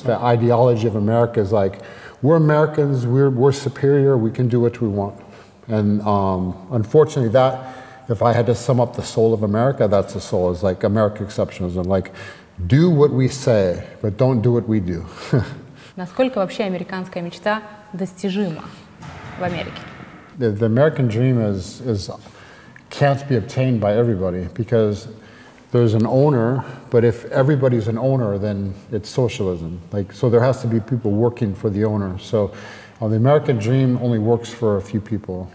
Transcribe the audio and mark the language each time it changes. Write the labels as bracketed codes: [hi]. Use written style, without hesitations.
[en] The ideology of America is like, we're Americans, we're superior, we can do what we want. And unfortunately that, if I had to sum up the soul of America, that's the soul, is like American exceptionalism, like do what we say, but don't do what we do. [ru] Насколько вообще американская мечта достижима в Америке? [en] The American dream is can't be obtained by everybody because there's an owner, but if everybody's an owner, then it's socialism. Like, so there has to be people working for the owner. So the American dream only works for a few people.